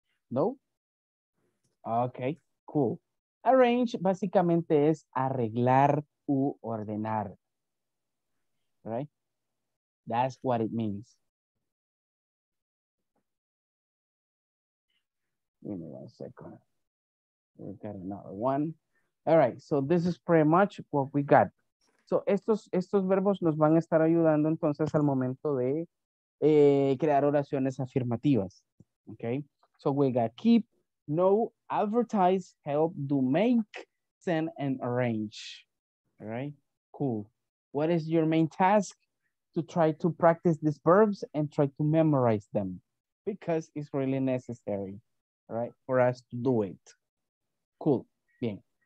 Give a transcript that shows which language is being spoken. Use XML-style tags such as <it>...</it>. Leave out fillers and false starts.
<es>No? Okay, cool. Arrange básicamente es arreglar u ordenar. Right?</es> <en>That's what it means. Give me one second. We've got another one. All right, so this is pretty much what we got.</en> <es>So estos verbos nos van a estar ayudando entonces al momento de crear oraciones afirmativas.</es> <en>Okay? So we got keep, know, advertise, help, do, make, send, and arrange. All right, cool. What is your main task? To try to practice these verbs and try to memorize them because it's really necessary, right, for us to do it. Cool, bien.</en>